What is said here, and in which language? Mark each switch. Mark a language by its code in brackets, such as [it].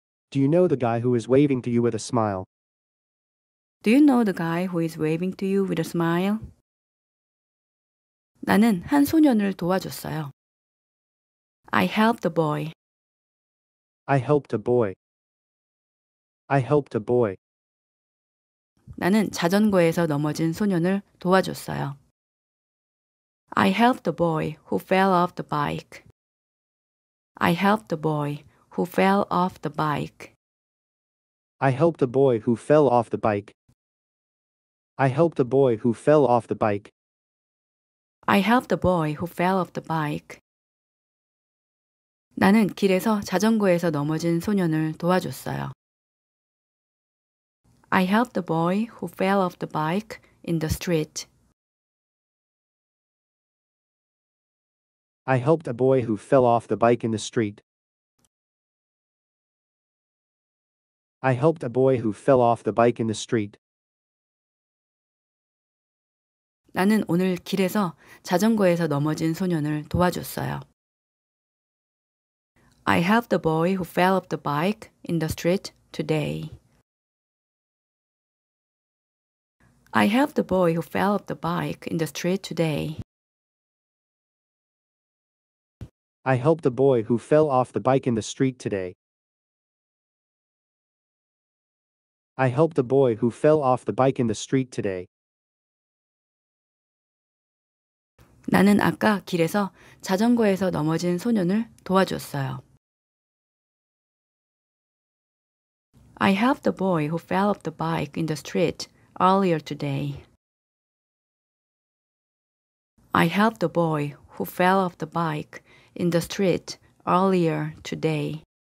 [en] Do you know the guy who is waving to you with a smile? Do you know the guy who is waving to you with a smile? [ko] 나는 한 소년을 도와줬어요. [en] I helped a boy. I helped a boy. I helped a boy. [ko] 나는 자전거에서 넘어진 소년을 도와줬어요. [en] I helped a boy who fell off the bike. I helped the boy who fell off the bike. I helped the boy who fell off the bike. I helped the boy who fell off the bike. I helped the boy who fell off the bike. [ko] 나는 길에서 자전거에서 넘어진 소년을 도와줬어요. [en] I helped the boy who fell off the bike in the street. I helped a boy who fell off the bike in the street. I helped a boy who fell off the bike in the street. [ko] 나는 오늘 길에서 자전거에서 넘어진 소년을 도와줬어요. [en] I helped a boy who fell off the bike in the street today. I helped a boy who fell off the bike in the street today. I helped a boy who fell off the bike in the street today. I helped a boy who fell off the bike in the street today. [ko] 나는 아까 길에서 자전거에서 넘어진 소년을 도와줬어요. [en] I helped a boy who fell off the bike in the street earlier today. I helped a boy who fell off the bike in the street earlier today.